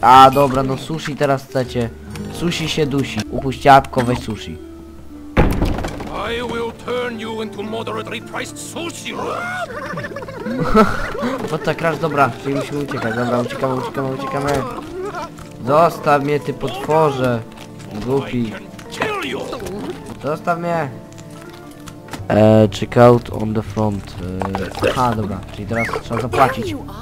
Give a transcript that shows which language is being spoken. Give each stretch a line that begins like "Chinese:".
Polish: A, dobra, no sushi teraz chcecie. Sushi się dusi. Upuść jabłko, weź sushi.
English: I will turn you into moderately priced sushi rolls.
Polish: Wota crash, dobra, czyli musimy uciekać, dobra, uciekamy. Zostaw mnie, ty potworze. Głupi. Zostaw mnie.
English: Check out on the front.
Polish: Aha, dobra, czyli teraz trzeba zapłacić.